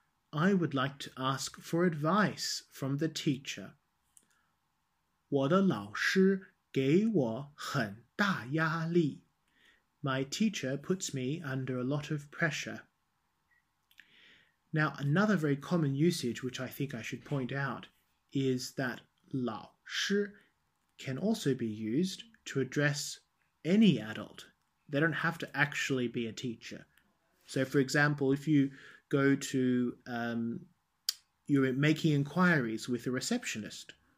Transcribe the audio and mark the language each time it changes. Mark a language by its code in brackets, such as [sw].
[en] I would like to ask for advice from the teacher. [zh] 我的老师给我很大压力. [en] My teacher puts me under a lot of pressure. Now, another very common usage, which I think I should point out, is that 老师 can also be used to address any adult. They don't have to actually be a teacher. So, for example, if you go to, you're making inquiries with a receptionist.